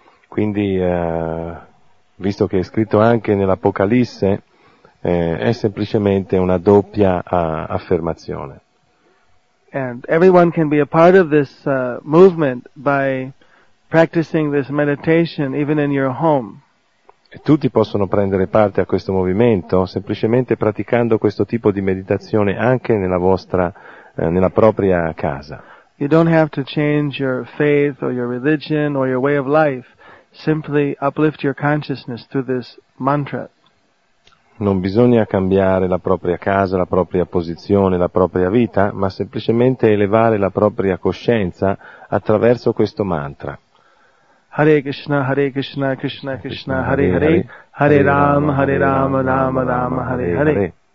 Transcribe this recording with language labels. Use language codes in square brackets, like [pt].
[it] Quindi visto che è scritto anche nell'Apocalisse è semplicemente una doppia affermazione. [en] And everyone can be a part of this movement by practicing this meditation even in your home. [it] E tutti possono prendere parte a questo movimento semplicemente praticando questo tipo di meditazione anche nella vostra nella propria casa. [en] You don't have to change your faith or your religion or your way of life. Simply uplift your consciousness through this mantra. [it] Non bisogna cambiare la propria casa, la propria posizione, la propria vita, ma semplicemente elevare la propria coscienza attraverso questo mantra. [sa] Hare Krishna, Krishna Krishna, Hare Hare, Hare Rama, Hare Rama, Rama Rama, Hare Hare.